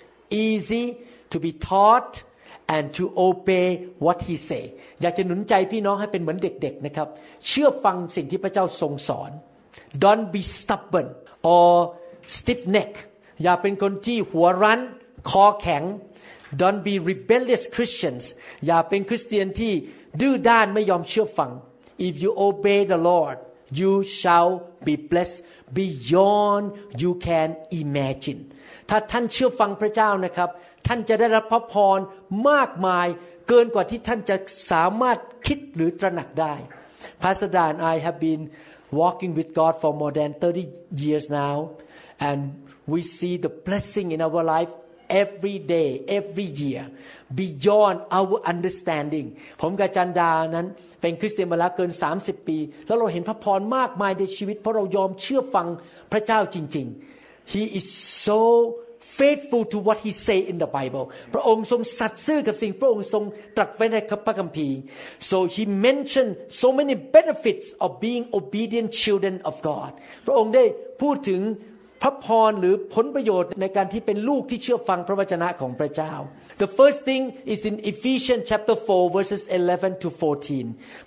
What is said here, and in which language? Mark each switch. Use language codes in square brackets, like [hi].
[en] Easy to be taught and to obey what he say. [th] อยากจะหนุนใจพี่น้องให้เป็นเหมือนเด็กๆนะครับเชื่อฟังสิ่งที่พระเจ้าทรงสอน [en] Don't be stubborn or stiff neck. [th] อย่าเป็นคนที่หัวรั้นคอแข็ง [en] Don't be rebellious Christians. [th] อย่าเป็นคริสเตียนที่ดื้อด้านไม่ยอมเชื่อฟัง [en] If you obey the Lord, you shall be blessed beyond you can imagine. [th] ถ้าท่านเชื่อฟังพระเจ้านะครับท่านจะได้รับพระพรมากมายเกินกว่าที่ท่านจะสามารถคิดหรือตระหนักได้ [en] Pastor Dan, I have been walking with God for more than 30 years now, and we see the blessing in our lifeEvery day, every year, beyond our understanding. [th] ผมกับจันดานั้นเป็นคริสเตียนมาแล้วเกิน30ปีแล้วเราเห็นพระพรมากมายในชีวิตเพราะเรายอมเชื่อฟังพระเจ้าจริงๆ [en] He is so faithful to what he say in the Bible. [th] พระองค์ทรงสัตย์ซื่อกับสิ่งพระองค์ทรงตรัสไว้ในพระคัมภีร์ [en] so he mentioned so many benefits of being obedient children of God. [th] พระองค์ได้พูดถึงพระพรหรือผลประโยชน์ในการที่เป็นลูกที่เชื่อฟังพระวจนะของพระเจ้า [en] The first thing is in Ephesians chapter 4 verses 11 to 14.